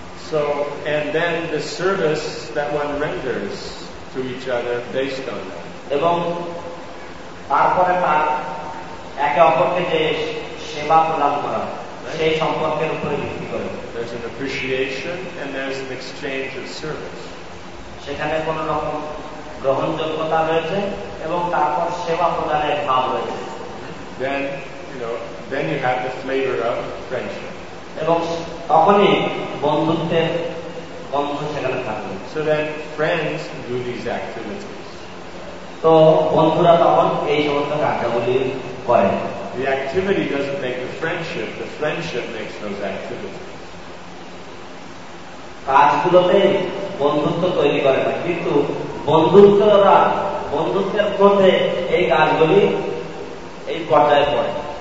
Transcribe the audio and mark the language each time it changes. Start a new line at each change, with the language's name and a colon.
English: So, and then the service that one renders to each other based on that.
Bangla: এবং তারপরে তার একে অপরকে যে সেবা প্রদান করা সেই সম্পর্কের উপরে ভিত্তি করে.
English: There's an appreciation and there's an exchange of service.
Bangla: সেখানে কোন রকম গ্রহণযোগ্যতা রয়েছে এবং তারপর সেবা প্রদানের ভাব রয়েছে.
English: Then, then you have the flavor of friendship.
Bangla: এবং তখনই বন্ধুত্বের গন্ধ সেখানে থাকবে.
English: So that friends do these activities.
Bangla: তো বন্ধুরা তখন এই সমস্ত কার্যাবলী করে.
English: The activity doesn't make the friendship makes those activities.
Bangla: কাজগুলোতে বন্ধুত্ব তৈরি করে না, কিন্তু বন্ধুত্বরা বন্ধুত্বের মধ্যে এই কাজগুলি এই পর্যায়ে পড়ে.